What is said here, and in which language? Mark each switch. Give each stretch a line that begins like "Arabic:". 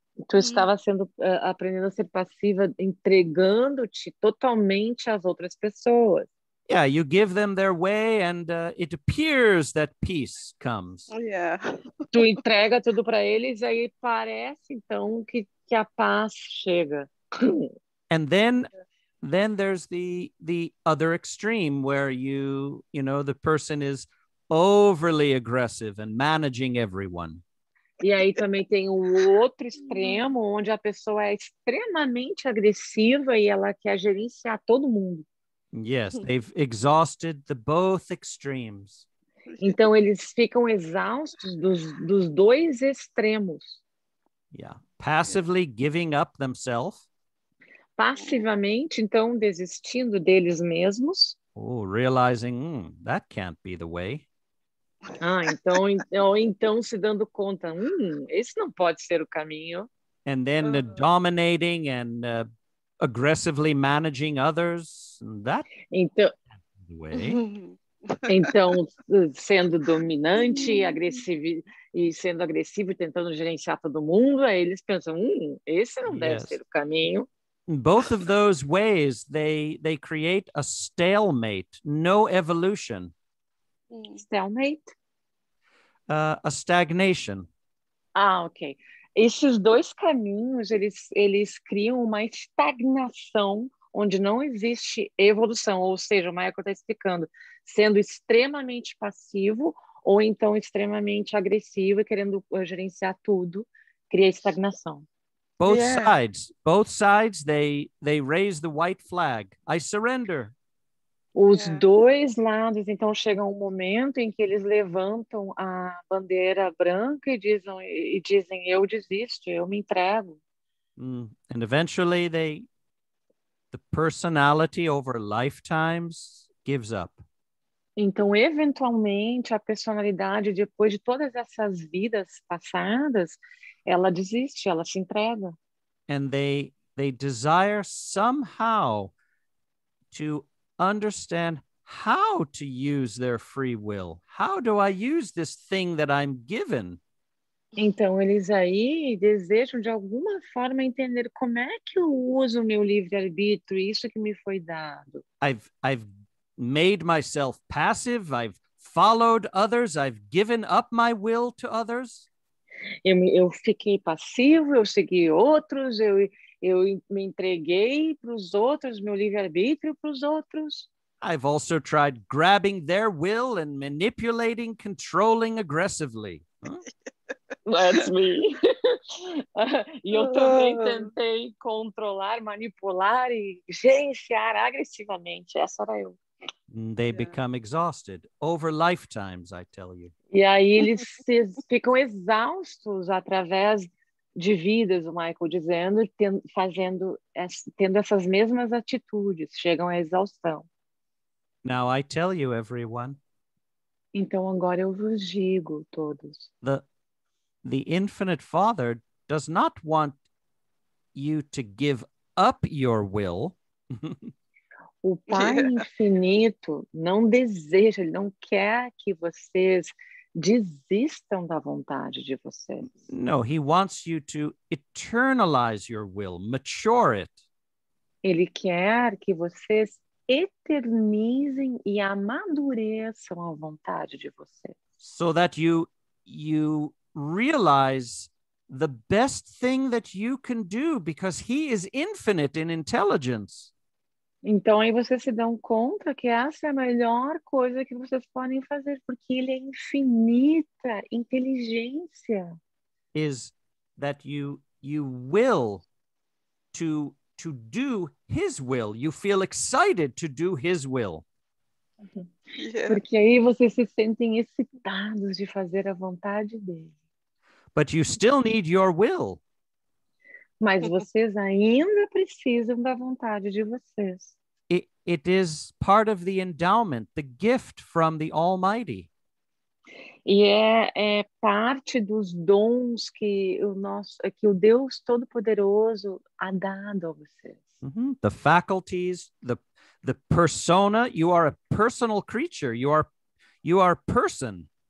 Portuguese: Tu estava sendo aprendendo a ser passiva, entregando-te totalmente às outras pessoas.
English: Yeah, you give them their way and it appears that peace comes. Oh, yeah.
Portuguese: Tu entrega tudo para eles, aí parece então que a paz chega.
English: And then there's the other extreme where you know, the person is overly aggressive and managing everyone.
Portuguese: E aí também tem o outro extremo onde a pessoa é extremamente agressiva e ela quer gerenciar todo mundo.
English: Yes, they've exhausted the both extremes.
Portuguese: Então eles ficam exaustos dos dois extremos.
English: Yeah, passively giving up themselves.
Portuguese: Passivamente, então, desistindo deles mesmos.
English: Oh, realizing that can't be the way.
Portuguese: Ah, então, então se dando conta, esse não pode ser o caminho.
English: And then the dominating and aggressively managing others, that
Portuguese: então,
English: way.
Portuguese: Então, sendo dominante, agressivo, e sendo agressivo, tentando gerenciar todo mundo, aí eles pensam, esse não deve ser o caminho.
English: Both of those ways, they create a stalemate, no evolution. Stalemate? A stagnation. Ah, ok.
Portuguese: Esses dois caminhos, eles criam uma estagnação onde não existe evolução. Ou seja, o Michael está explicando, sendo extremamente passivo ou então extremamente agressivo e querendo gerenciar tudo, cria estagnação.
English: Both sides, both sides, they raise the white flag. I surrender.
Portuguese: Os dois lados, então, chegam um momento em que eles levantam a bandeira branca e dizem, eu desisto, eu me entrego.
English: And eventually, the personality over lifetimes gives up.
Portuguese: Então, eventualmente, a personalidade, depois de todas essas vidas passadas, ela desiste, ela se entrega.
English: And they desire somehow to understand how to use their free will. How do I use this thing that I'm given?
Portuguese: Então, eles aí desejam de alguma forma entender como é que eu uso o meu livre-arbítrio, isso que me foi dado.
English: I've made myself passive, I've followed others, I've given up my will to others.
Portuguese: Eu fiquei passivo, eu segui outros, eu me entreguei para os outros, meu livre-arbítrio para os outros.
English: I've also tried grabbing their will and manipulating, controlling aggressively. That's me.
Portuguese: E eu também tentei controlar, manipular e gerenciar agressivamente. Essa era eu.
English: They become exhausted over lifetimes, I tell you.
Portuguese: E aí eles se, ficam exaustos através de vidas, o Michael dizendo, tendo essas mesmas atitudes, chegam à exaustão.
English: Now I tell you, everyone.
Portuguese: Então agora eu vos digo, todos.
English: The Infinite Father does not want you to give up your will.
Portuguese: O Pai Infinito não deseja, ele não quer que vocês desistam da vontade de vocês.
English: No, he wants you to eternalize your will, mature it.
Portuguese: Ele quer que vocês eternizem e amadureçam a vontade de vocês.
English: So that you realize the best thing that you can do, because he is infinite in intelligence.
Portuguese: Então aí vocês se dão conta que essa é a melhor coisa que vocês podem fazer, porque ele é infinita inteligência.
English: Is that you will to do his will. You feel excited to do his will.
Portuguese: Porque aí vocês se sentem excitados de fazer a vontade dele.
English: But you still need your will.
Portuguese: Mas vocês ainda precisam da vontade de vocês.
English: It is part of the endowment, the gift from the Almighty.
Portuguese: E é parte dos dons que o Deus Todo-Poderoso ha dado a vocês. Mm-hmm.
English: The faculties, the persona, you are a personal creature, you are person.